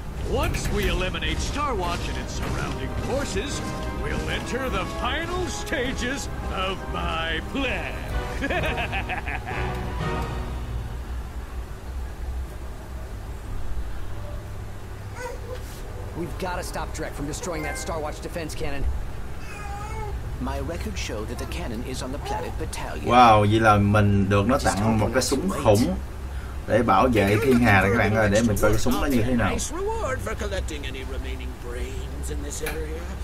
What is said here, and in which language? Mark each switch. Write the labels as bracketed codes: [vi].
[en] Once we eliminate Star Watch and its surrounding forces, we'll enter the final stages of my plan. We've got to stop Drek from destroying that Star Watch defense cannon. My records show that the cannon is on the planet Battalion. [vi] Wow, vậy là mình được nó tặng một cái súng khủng để bảo vệ thiên hà đó các bạn ơi, để mình coi cái súng nó như thế nào. [en] Nice reward for collecting any remaining brains in this area.